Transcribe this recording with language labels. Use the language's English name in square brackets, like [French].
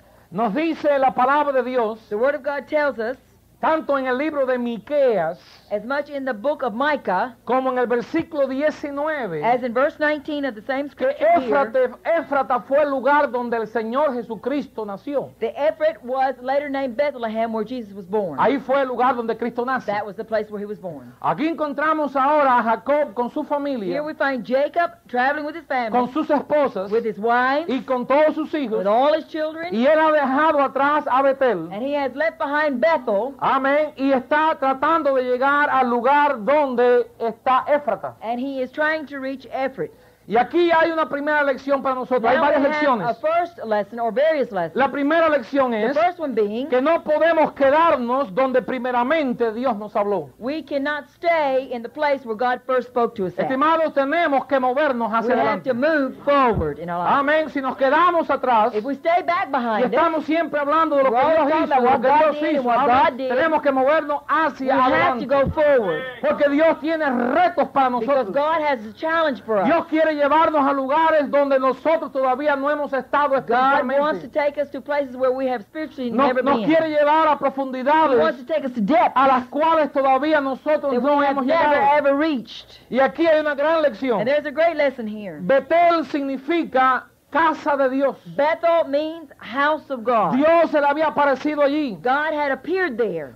[Spanish] Nos dice la palabra de Dios. [English] The word of God tells us. [Spanish] Tanto en el libro de Miqueas, [English] as much in the book of Micah, [Spanish] como en el versículo 19, [English] as in verse 19 of the same scripture, [Spanish] que Éfrata fue el lugar donde el Señor Jesucristo nació. [English] The Ephrat was later named Bethlehem, where Jesus was born. [Spanish] Ahí fue el lugar donde Cristo nace. [English] That was the place where he was born. [Spanish] Aquí encontramos ahora a Jacob con su familia. [English] Here we find Jacob traveling with his family, [Spanish] con sus esposas, [English] with his wife, [Spanish] y con todos sus hijos, [English] with all his children, [Spanish] y él ha dejado atrás a Betel, [English] and he has left behind Bethel. [Spanish] Amén. Y está tratando de llegar al lugar donde está Éfrata. [English] And he is trying to reach Ephrat. [Spanish] Y aquí hay una primera lección para nosotros. [English] Now [Spanish] hay varias lecciones. [English] A first lesson or various lessons. [Spanish] La primera lección es [English] the first one being, [Spanish] que no podemos quedarnos donde primeramente Dios nos habló. [English] We cannot stay in the place where God first spoke to us. [Spanish] Estimados, tenemos que movernos hacia [English] we [Spanish] adelante. [English] We have to move forward in our life. [Spanish] Amén. Si nos quedamos atrás, [English] if we stay back behind [Spanish] y estamos [English] it, [Spanish] siempre hablando de lo que Dios hizo, [English] what God [Spanish] Dios [English] did [Spanish] hizo, [English] what [Spanish] amén, [English] God did, [Spanish] tenemos que movernos hacia [English] we [Spanish] adelante. [English] We have to go forward. [Spanish] Porque Dios tiene retos para nosotros. [English] Because God has a challenge for us. [Spanish] Dios quiere llevarnos a lugares donde nosotros todavía no hemos estado espiritualmente. [English] God wants to take us to places where we have spiritually never been. [Spanish] Nos quiere llevar a profundidades. [English] He wants to take us to depths [Spanish] a las cuales todavía nosotros no hemos llegado. [English] Never ever reached. [Spanish] Y aquí hay una gran lección. [English] And there's a great lesson here. [Spanish] Betel significa casa de Dios. [English] Bethel means house of God. [Spanish] Dios se le había aparecido allí. [English] God had appeared there.